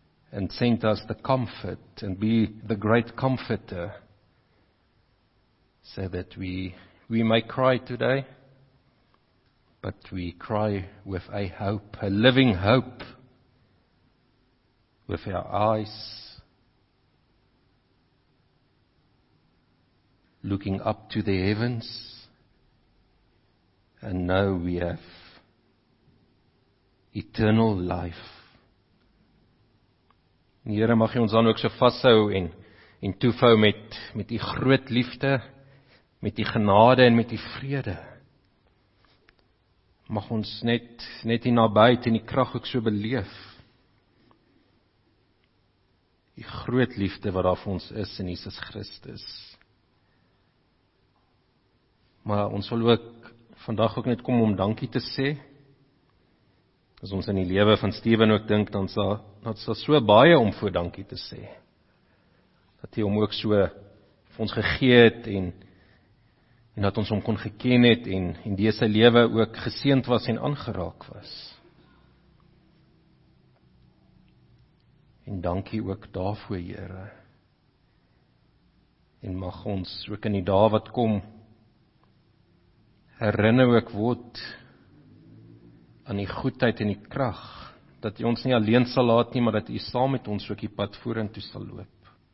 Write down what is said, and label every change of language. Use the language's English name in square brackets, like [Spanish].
[English] and sent us the comfort and be the great comforter, so that we may cry today, but we cry with a hope, a living hope, with our eyes looking up to the heavens, and know we have eternal life. [Afrikaans] Here mag jy ons dan ook so vasthou en toevou met die groot liefde, met die genade en met die vrede. Mag ons net die nabijheid en die krag ook so beleef. Die groot liefde wat daar vir ons is in Jesus Christus. Maar ons wil ook vandag ook net kom om dankie te sê. As ons in die lewe van Steven ook dink, dan sal so baie om voor dankie te sê. Dat hy hom ook so vir ons gegee het en dat ons hom kon geken het en deze lewe ook geseend was en aangeraak was. En dankie ook daarvoor, Here. En mag ons ook in die dae wat kom, herinner ook word aan die goedheid en die krag, dat jy ons nie alleen sal laat nie, maar dat jy saam met ons ook die pad vorentoe sal loop.